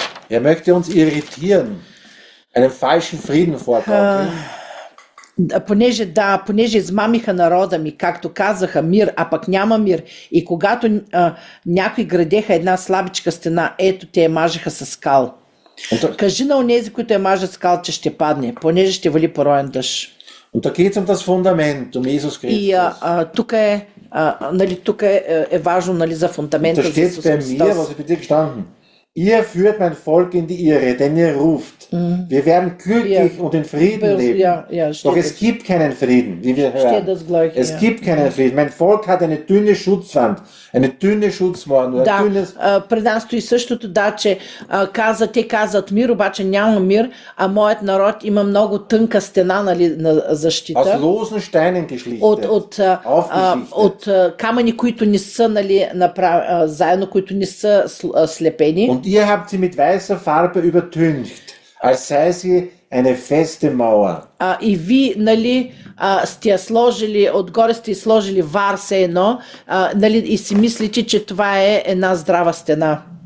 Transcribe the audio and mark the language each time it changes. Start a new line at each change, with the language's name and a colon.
German: Er möchte uns irritieren. Einen falschen Frieden vorbauen.
Bulgarian: Понеже, да, понеже измамиха народа ми, както казаха, мир, а пък няма мир, и когато някой градеха една слабичка стена, ето те я мажеха със скал. Кажи на онези, които я мажат скал, че ще падне, понеже ще вали пороен дъжд.
German: Und da geht's um das Fundament, um Jesus Christus.
Bulgarian: И тук е, нали, тук е важно, нали, за фундамента за Исус Христос.
German: Ihr führt mein Volk in die Irre, denn ihr ruft. Wir werden glücklich und in Frieden leben. Doch es gibt keinen Frieden, wie wir hören. Es gibt keinen Frieden. Mein Volk hat eine dünne Schutzwand, eine dünne Schutzmauer.
Bulgarian: Da, пред нас стои същото, да, че те казват мир, обаче няма мир, а моят народ има много тънка стена на защита.
German: Aus losen Steinen geschlichtet.
Bulgarian: От камъни, които не са, нали, заедно, които не са слепени.
German: Und ihr habt sie mit weißer Farbe übertüncht, als sei sie eine feste Mauer.
Bulgarian: И ви, нали, сте я сложили, отгоре сте сложили вар, все едно, нали, и си мислите, че това е една здрава стена.